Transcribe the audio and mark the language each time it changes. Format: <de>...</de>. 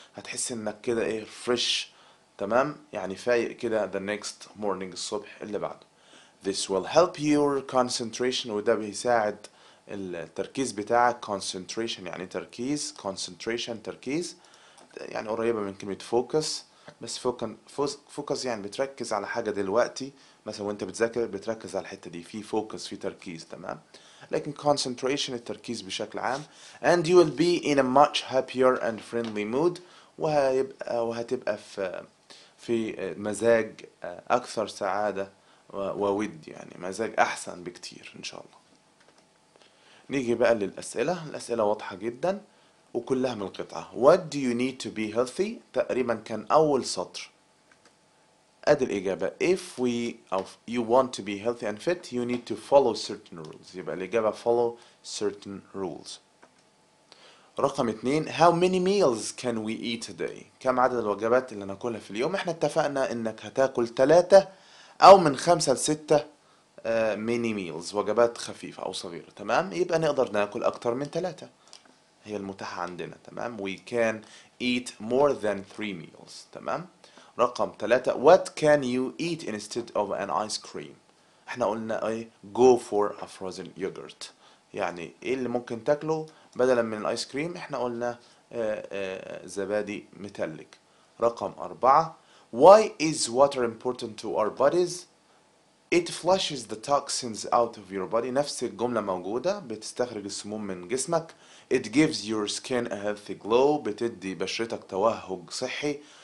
<ar>هتحس انك كده ايه fresh, تمام, يعني فايق كده</ar> <en>the next morning,</en> <ar>الصبح اللي بعده.</ar> <en>This will help your concentration,</en> <ar>وده بيساعد التركيز بتاعك. Concentration يعني تركيز, concentration تركيز يعني قريبة من كلمة focus, بس focus يعني بتركز على حاجة دلوقتي, مثلا وانت بتذاكر بتركز على الحتة دي, في focus في تركيز, تمام. لكن concentration التركيز بشكل عام.</ar> <en>And you will be in a much happier and friendly mood,</en> <ar>وهتبقى في مزاج أكثر سعادة وود, يعني مزاج أحسن بكتير إن شاء الله. نيجي بقى للأسئلة. الأسئلة واضحة جدا وكلها من القطعة.</ar> <en>What do you need to be healthy؟</en> <ar>تقريبا كان أول سطر. أدي الإجابة.</ar> <en>If we of you want to be healthy and fit, you need to follow certain rules.</en> <ar>يبقى الإجابة</ar> <en>follow certain rules.</en> <ar>رقم 2,</ar> <en>how many meals can we eat a day؟</en> <ar>كم عدد الوجبات اللي ناكلها في اليوم؟ احنا اتفقنا انك هتاكل 3 او من 5 ل 6 ميني ميلز, وجبات خفيفة او صغيرة, تمام؟ يبقى نقدر ناكل اكتر من 3 هي المتاحة عندنا, تمام؟</ar> <en>We can eat more than 3 meals,</en> <ar>تمام؟ رقم 3,</ar> <en>what can you eat instead of an ice cream؟</en> <ar>احنا قلنا</ar> <en>go for a frozen yogurt,</en> <ar>يعني ايه اللي ممكن تاكله بدلا من الايس كريم؟ احنا قلنا زبادي متلج.</ar> <en>رقم 4, why is water important to our bodies؟ it flushes the toxins out of your body.</en> <ar>نفس الجملة موجودة, بتستخرج السموم من جسمك.</ar> <en>it gives your skin a healthy glow,</en> <ar>بتدي بشرتك توهج صحي.</ar>